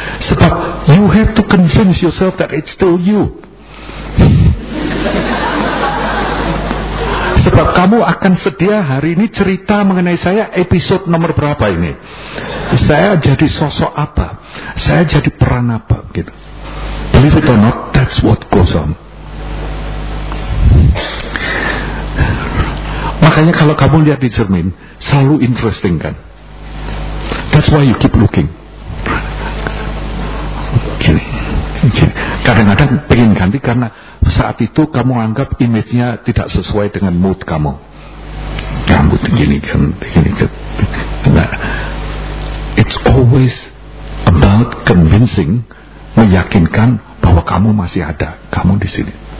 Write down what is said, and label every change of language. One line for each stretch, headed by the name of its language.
Indonesian: Sebab
English: you have to convince yourself that it's still you.
Indonesian: Sebab kamu akan sedia hari ini cerita mengenai saya episode nomor berapa ini. Saya jadi sosok apa? Saya jadi peran apa? Gitu.
English: Believe it or not, that's what goes on.
Indonesian: Makanya kalau kamu lihat di cermin, selalu interesting kan?
English: That's why you keep looking.
Indonesian: Gini. Gini. Kadang-kadang pengen ganti karena saat itu kamu anggap image-nya tidak sesuai dengan mood kamu. Rambut gini kan, gini kan. Nah,
English: it's always about convincing,
Indonesian: meyakinkan bahwa kamu masih ada, kamu di sini.